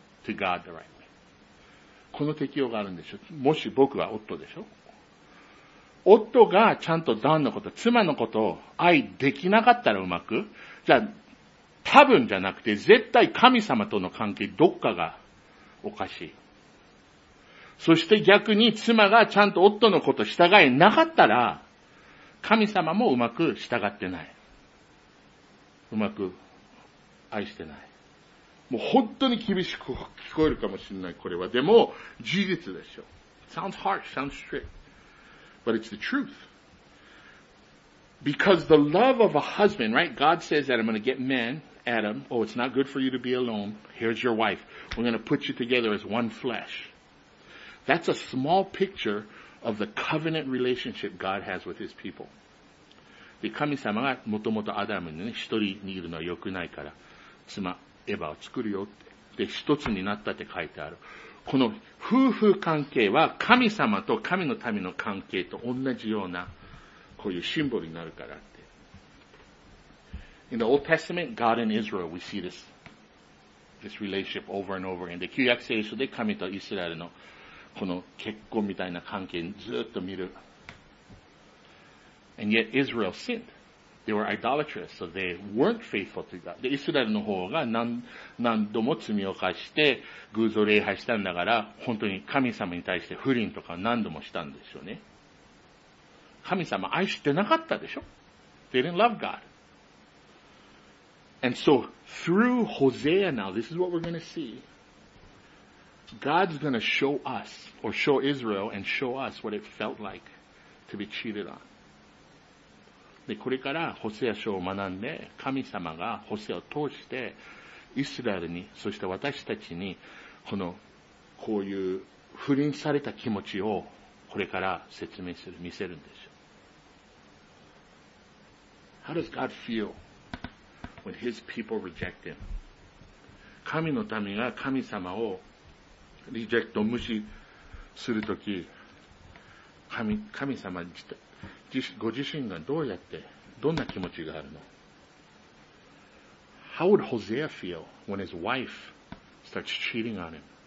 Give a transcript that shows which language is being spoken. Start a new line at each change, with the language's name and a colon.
English: To God the right way.
Japanese: この適用があるんでしょ。もし僕は夫でしょ。夫がちゃんと旦のこと、妻のことを愛できなかったらうまく。じゃあ、多分じゃなくて、絶対神様との関係どっかがおかしい。そして逆に妻がちゃんと夫のこと従えなかったら、神様もうまく従ってない。うまく愛してない。もう本当に厳しく聞こえるかもしれない、これは。でも、事実でしょ。
English: Sounds harsh, sounds strict. But it's the truth. Because the love of a husband, right? God says that I'm going to get men, Adam, oh, it's not good for you to be alone. Here's your wife. We're going to put you together as one flesh. That's a small picture. Of the covenant relationship God has with His people.
Japanese: で、神様がもともとアダムにね、一人にいるのは良くないから、妻、エヴァを作るよって。で、一つになったって書いてある。この夫婦関係は神様と神の民の関係と同じような、こういうシンボルになるからって。
English: In the Old Testament, God and Israel, we see this relationship over and over again.
Japanese: で、旧約聖書で神とイスラエルのこの結婚みたいな関係にずっと見る。
English: And yet Israel sinned. They were idolatrous, so they weren't faithful to God.
Japanese: で、イスラエルの方が何度も罪を犯して、偶像礼拝したんだから、本当に神様に対して不倫とか何度もしたんでしょうね。神様愛してなかったでしょ?
English: They didn't love God. And so, through Hosea now, this is what we're going to see. God's gonna show us, or show Israel, and show us what it felt like to be cheated on.
Japanese: で、これから、ホセア書を学んで、神様が、ホセアを通して、イスラエルに、そして私たちに、この、こういう、不倫された気持ちを、これから説明する、見せるんでしょう。
English: How does God feel when His people reject Him?
Japanese: 神の民が神様を、リジェクト、無視するとき、神様ご自身がどうやって、どんな気持ちがあるの ?
English: How would Hosea feel when his wife starts cheating on him?